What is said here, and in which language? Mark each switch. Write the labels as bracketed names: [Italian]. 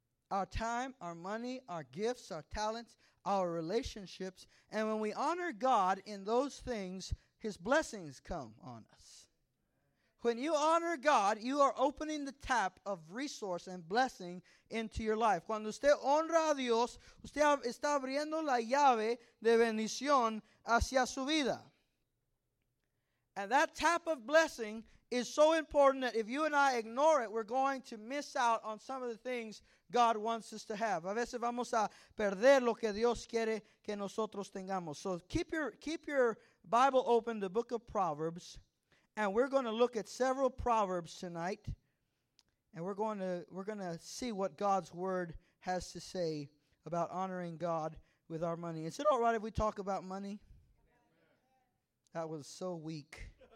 [English] Our time, our money, our gifts, our talents, our relationships. And when we honor God in those things, His blessings come on us. When you honor God, you are opening the tap of resource and blessing into your life. [Spanish] Cuando usted honra a Dios, usted está abriendo la llave de bendición hacia su vida. [English] And that tap of blessing is so important that if you and I ignore it, we're going to miss out on some of the things God wants us to have. [Spanish] A veces vamos a perder lo que Dios quiere que nosotros tengamos. [English] So keep your Bible open, the book of Proverbs, and we're going to look at several Proverbs tonight, and we're going to see what God's word has to say about honoring God with our money. Is it all right if we talk about money? That was so weak.